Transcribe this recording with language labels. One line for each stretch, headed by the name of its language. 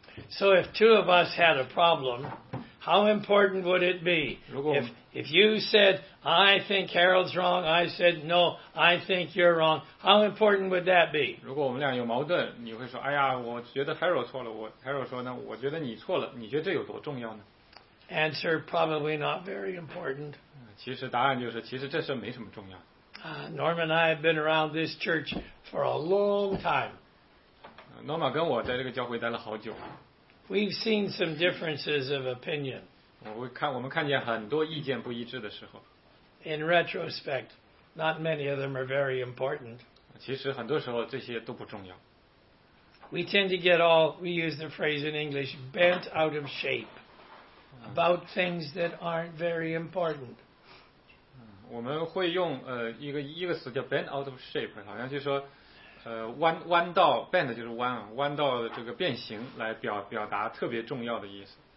English: So if two of us had a problem, how important would it be? If you said, I think Harold's wrong, I said, no, I think you're wrong, how important would that be?
Chinese: 如果我们俩有矛盾，你会说，哎呀，我觉得 Harold 错了，Harold 说呢，我觉得你错了，你觉得这有多重要呢？
English: Answer, probably not very important.
Chinese: 其实答案就是，其实这事没什么重要。
English: Norm and I have been around this church for a long time.
Chinese: Norma 跟我在这个教会待了好久。
English: We've seen some differences of opinion.
Chinese: 我们看见很多意见不一致的时候。
English: In retrospect, not many of them are very important.
Chinese: 其实很多时候这些都不重要。
English: We tend to get all, we use the phrase in English, bent out of shape about things that aren't very important.
Chinese: 我们会用一个词叫
English: bent out of shape，
Chinese: 好像就是说弯道 bent 就是弯啊，弯道的这个变形来表达特别重要的意思。